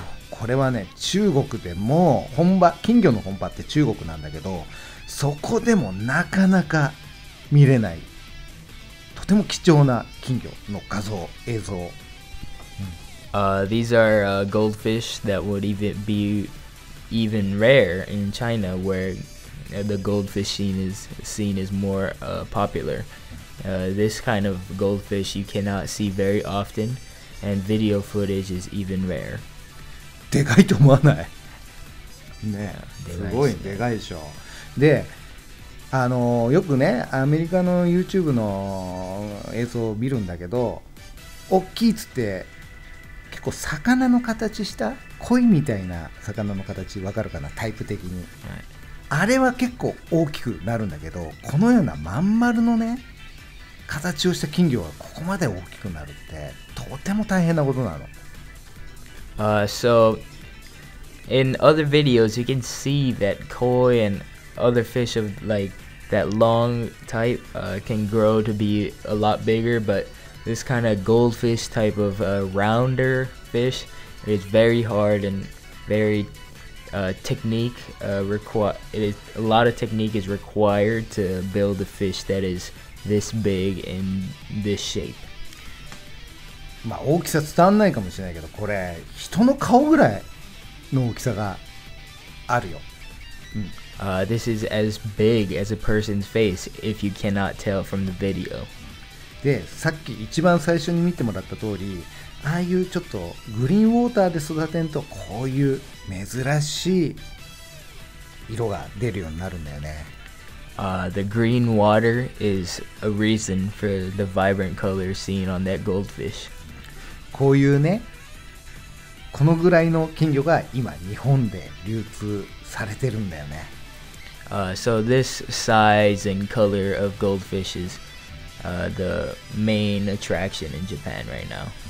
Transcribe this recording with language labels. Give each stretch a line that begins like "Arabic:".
Japanese: これはね、中国でも本場、金魚の本場って中国なんだけど、そこでもなかなか見れないとても貴重な金魚の画像、映像。
English: These are goldfish that would even be even rare in China, where the goldfish scene is seen as more popular. This kind of goldfish you cannot see very often, and video footage is even rare.
Japanese: でかいと思わない？ね、すごい、でかいでしょ。で、よくね、アメリカの YouTube の映像を見るんだけど、大きいっつって。結構魚の形した、鯉みたいな魚の形、わかるかな、タイプ的に、はい、あれは結構大きくなるんだけど、このようなまん丸のね形をした金魚がここまで大きくなるってとても大変なことなの。
English: So in other videos you can see that koi and other fish of like that long type can grow to be a lot bigger, butThis kind of goldfish type of rounder fish is very hard and very technique required. It is a lot of technique is required to build a fish that is this big in this shape.
Japanese: まあ大きさ伝わんないかもしれないけど、これ人の顔ぐらいの大きさがあるよ。うん。
English: This is as big as a person's face, if you cannot tell from the video.
Japanese: で、さっき一番最初に見てもらった通り、ああいうちょっとグリーンウォーターで育てるとこういう珍しい色が出るようになるんだよね。
English: The green water is a reason for the vibrant color seen on that goldfish.
Japanese: こういうね、このぐらいの金魚が今日本で流通されてるんだよね。
English: So this size and color of goldfish isthe main attraction in Japan right now.